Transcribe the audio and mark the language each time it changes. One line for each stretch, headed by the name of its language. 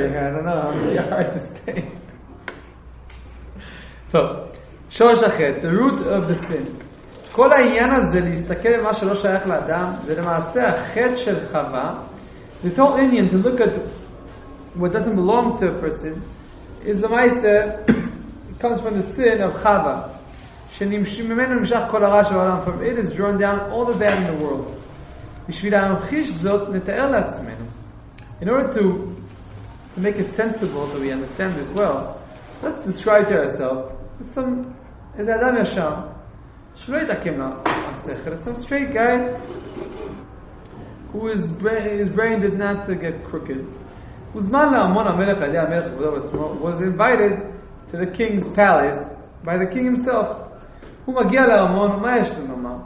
English: I don't know, I'm really hard to stay. So, Shoshachet, the root of the sin.
Hebrew: כל העניין הזה להסתכל במה שלא שייך לאדם, זה למעשה החטא של חווה.
English: This whole Indian to look at what doesn't belong to a person is the maise, it comes from the sin of Chava.
Hebrew: שממנו נמשך כל הרע של העולם.
English: From it is drawn down all the bad in the world.
Hebrew: בשביל להמחיש זאת, נתאר לעצמנו.
English: In order to make it sensible that we understand this well, let's describe to ourselves that some,
Hebrew: איזה אדם ישר, שלא יתעקם לשכל,
English: some straight guy whose brain did not get crooked.
Hebrew: הוזמן לעמון המלך, עדי המלך עבודו בעצמו,
English: was invited to the king's palace by the king himself.
Hebrew: הוא מגיע לעמון, מה יש לו לומר?